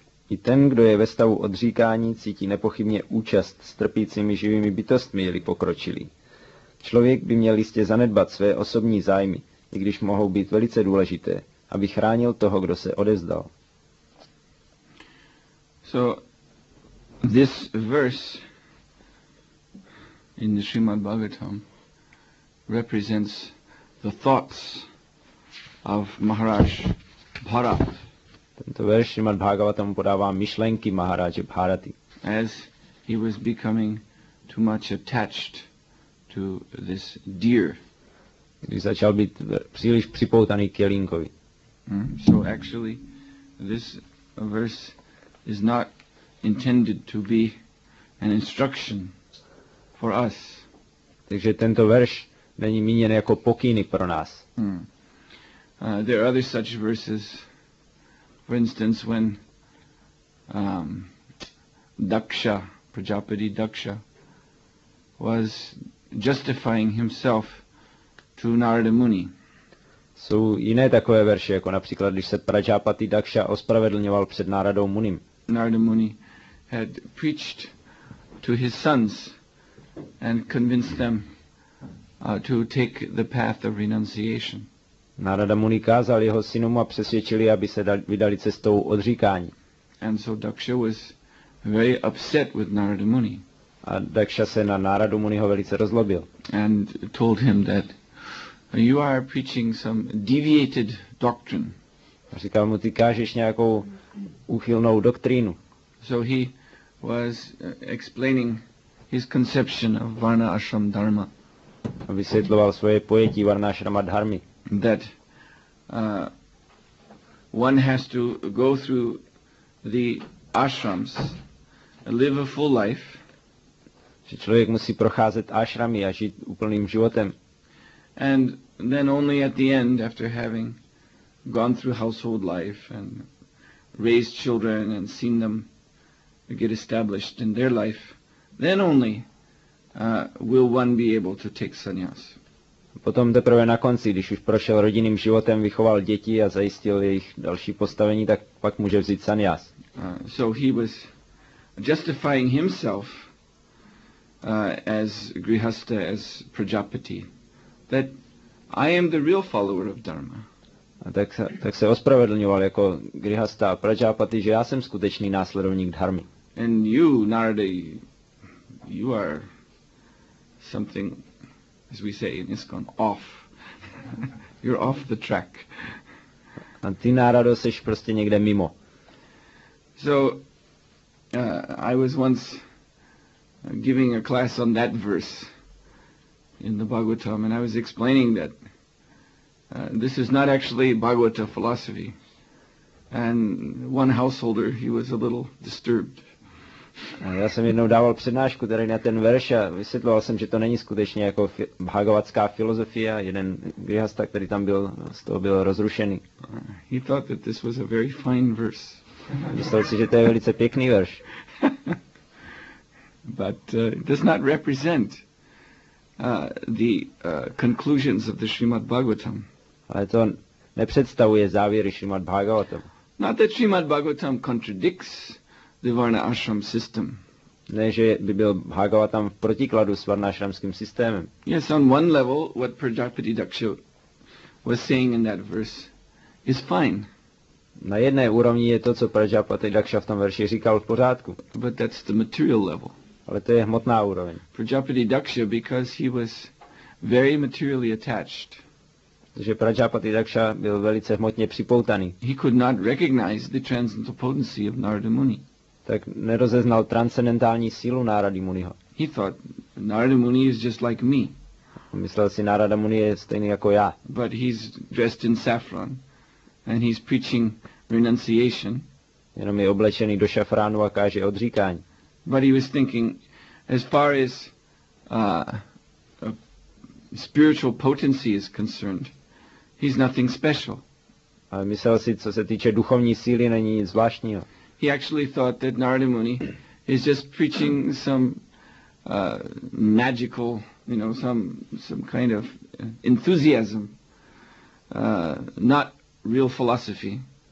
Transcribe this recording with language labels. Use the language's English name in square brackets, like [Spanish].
[Czech] I ten, kdo je ve stavu odříkání, cítí nepochybně účast s trpícími živými bytostmi, jeli pokročilí. Člověk by měl jistě zanedbat své osobní zájmy, i když mohou být velice důležité, aby chránil toho, kdo se odevzdal. [English] So, this verse in the Srimad Bhagavatam represents the thoughts of Maharaj Bharat. [Czech] Tento verš Srimad Bhagavatam podává myšlenky Maharaje Bharaty. [English] As he was becoming too much attached to this deer. [Czech] Když začal být příliš připoutaný k jelínkovi. [English] So actually this verse is not intended to be an instruction for us. [Czech] Takže tento verš není míněn jako pokyny pro nás. [English] There are other such verses. For instance, when Daksha, Prajapati Daksha, was justifying himself to Narada Muni. [Czech] Jsou jiné takové verše, jako například, když se Prajapati Daksha ospravedlňoval před Náradou Munim. [English] Narada Muni had preached to his sons and convinced them to take the path of renunciation. [Czech] Narada Muni kázal jeho synům a přesvědčili, aby se vydali cestou odříkání. [English] And so Daksha was very upset with Narada Muni. [Czech] A Daksha se na Naradu Muniho velice rozlobil. [English] And told him that you are preaching some deviated doctrine. [Czech] A říkal mu, ty kážeš nějakou úchylnou doktrínu. [English] So he was explaining his conception of Varna Ashram Dharma. [Czech] A vysvětloval svoje pojetí Varna Ashrama Dharmy. [English] That one has to go through the ashrams, live a full life. [Czech] Že člověk musí procházet ashrami a žít úplným životem. [English] And then only at the end, after having gone through household life and raised children and seen them get established in their life, then only will one be able to take sannyas. [Czech] Potom teprve na konci, když už prošel rodinným životem, vychoval děti a zajistil jejich další postavení, tak pak může vzít sannyas. [English] So he was justifying himself as grihastha, as prajapati, that I am the real follower of dharma. [Czech] A tak se ospravedlňoval jako grihastha a prajapati, že já jsem skutečný následovník dharmy. [English] And you, Narada, you are something, as we say in ISKCON, off. You're off the track. [Czech] A ty, Narado, seš prostě někde mimo. [English] So, I was once giving a class on that verse in the Bhagavatam, and I was explaining that this is not actually Bhagavata philosophy. And one householder, he was a little disturbed. [Czech] A já jsem jednou dával přednášku tady na ten verš a vysvětloval jsem, že to není skutečně jako bhagavatská filozofie. Jeden grihastha, který tam byl, z toho byl rozrušený. [English] He thought that this was a very fine verse. [Czech] Myslel si, že to je velice pěkný verš. [English] But it does not represent the conclusions of the Srimad Bhagavatam. [Czech] Ale to nepředstavuje závěry Srimad Bhagavatam. [English] Not that Srimad Bhagavatam contradicts the Varna Ashram system. [Czech] Ne, že by byl Bhagavatam v protikladu s varnashramským systémem. [English] Yes, on one level, what Prajapati Daksha was saying in that verse is fine. [Czech] Na jedné úrovni je to, co Prajapati Daksha v tom verši říkal, v pořádku. [English] But that's the material level. [Czech] Ale to je hmotná úroveň. [English] Prajapati Daksha, because he was very materially attached. [Czech] Takže Prajapati Daksha byl velice hmotně připoutaný. [English] He could not recognize the transcendental potency of Narada Muni. [Czech] Tak nerozeznal transcendentální sílu Narady Muniho. [English] He thought Narada Muni is just like me. [Czech] Myslel si, Narada Muni je stejný jako já. [English] But he's dressed in saffron and he's preaching renunciation. [Czech] Jenom je oblečený do šafránu a káže odříkání. [English] But he was thinking, as far as spiritual potency is concerned, he's nothing special. [Czech] Ale myslel si, co se týče duchovní síly, není nic zvláštního. [English] He actually thought that Narada Muni is just preaching some magical, you know, some kind of enthusiasm, not real philosophy.